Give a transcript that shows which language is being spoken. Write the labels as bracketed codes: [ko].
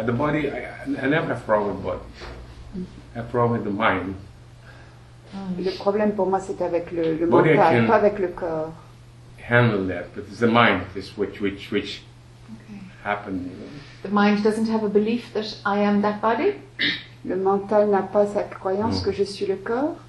[en] The body, I never have a problem with the body. I have a problem with the mind. [fr] Le problème pour moi, c'est avec le mental, pas avec le corps. [en] Handle that, but it's the mind is which okay. Happened. You know? The mind doesn't have a belief that I am that body? [fr] Le mental n'a pas sa croyance que je suis le corps.